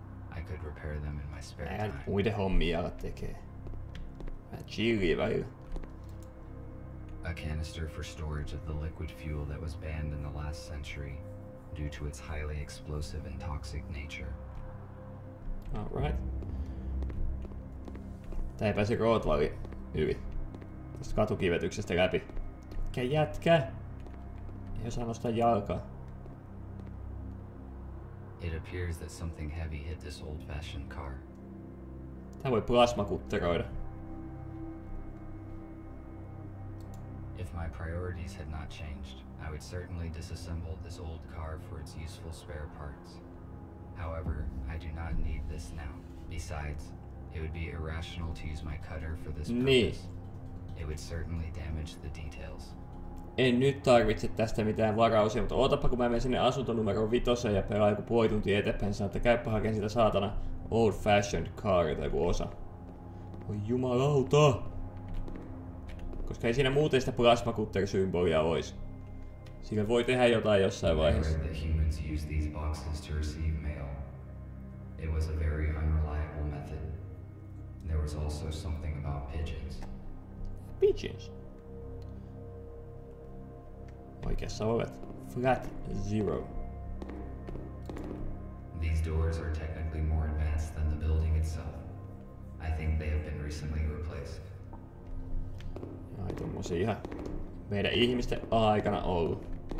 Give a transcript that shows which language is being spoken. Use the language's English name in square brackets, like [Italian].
[English] I could repair them in my spare time. [Finnish] Muiden hommia alat tekee. Vähän chillia välillä. [English] A canister for storage of the liquid fuel that was banned in the last century due to its highly explosive and toxic nature. All right. [Finnish] Tää ei pääse rootvali yli tästä katukivetyksestä läpi. Mikä jätkä? Ei osaa nostaa jalkaa. [English] It appears that something heavy hit this old-fashioned car. [Finnish] Tää voi plasmakutteroida. [English] If my priorities had not changed, I would certainly disassemble this old car for its useful spare parts. However, I do not need this now. Besides, it would be irrational to use my cutter for this purpose. [Finnish] Niin. [English] It would certainly damage the details. [Finnish] En nyt tarvitse tästä mitään varausia, mutta ootapa kun mä menen sinne asuntonumeroon 5 ja pelaan joku puoli tuntia eteenpäin, sanon, että käypä hakemaan sitä saatana old fashioned car tai joku osa. Oi jumalauta! Koska ei siinä muuten sitä plasmakutter-symbolia ois. Sillä voi tehdä jotain jossain vaiheessa. [English] Use these boxes to receive mail. It was a very unreliable method. There was also something about pigeons. Pigeons? [Finnish] Oikeassa olet. Flat zero. [English] These doors are technically more advanced than the building itself. I think they have been recently replaced. [Finnish] Ai tommosia ihan meidän ihmisten aikana ollut.